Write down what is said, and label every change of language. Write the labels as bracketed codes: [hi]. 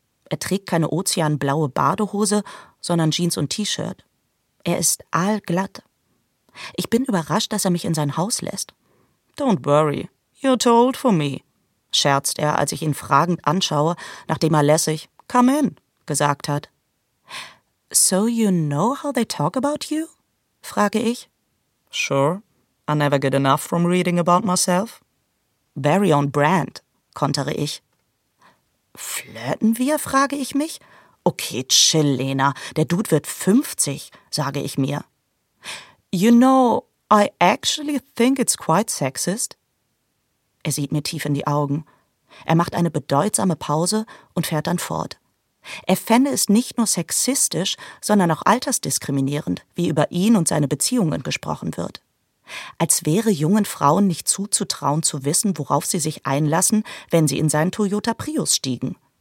[de] Er trägt keine ozeanblaue Badehose, sondern Jeans und T-Shirt. Er ist aalglatt. Ich bin überrascht, dass er mich in sein Haus lässt. [en] Don't worry, you're too old for me, [de] scherzt er, als ich ihn fragend anschaue, nachdem er lässig [en] "Come in" [de] gesagt hat. [en] So you know how they talk about you? [de] Frage ich. [en] Sure, I never get enough from reading about myself. Very on brand, [de] kontere ich. Flirten wir, frage ich mich. Okay, chill, Lena, der Dude wird 50, sage ich mir. [en] You know, I actually think it's quite sexist. [de] Er sieht mir tief in die Augen. Er macht eine bedeutsame Pause und fährt dann fort. Er fände es nicht nur sexistisch, sondern auch altersdiskriminierend, wie über ihn und seine Beziehungen gesprochen wird. als wäre jungen Frauen nicht zuzutrauen, zu wissen, worauf sie sich einlassen, wenn sie in seinen Toyota Prius stiegen.